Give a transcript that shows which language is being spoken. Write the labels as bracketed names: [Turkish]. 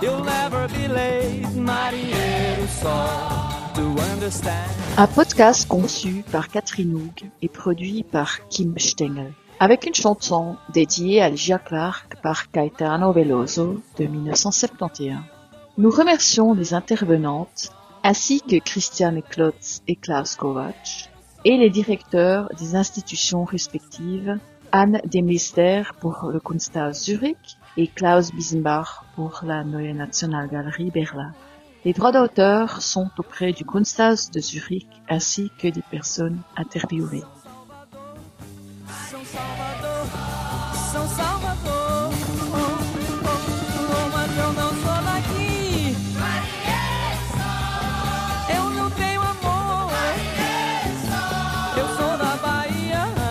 [English] You'll never be late, Mighty Edison. To understand. [French] Un podcast conçu par Catherine Hoog et produit par Kim Stengel. Avec une chanson dédiée à Ligia Clark par Caetano Veloso de 1971. Nous remercions les intervenantes ainsi que Christiane Klotz et Klaus Kovac et les directeurs des institutions respectives Anne Demeester pour le Kunsthaus Zurich et Klaus Biesenbach pour la Neue Nationalgalerie Berlin. Les droits d'auteur sont auprès du Kunsthaus de Zurich ainsi que des personnes interviewées. [Portuguese] San Salvador, oh, mas eu não sou daqui. Eu não tenho amor. Eu sou da Bahia.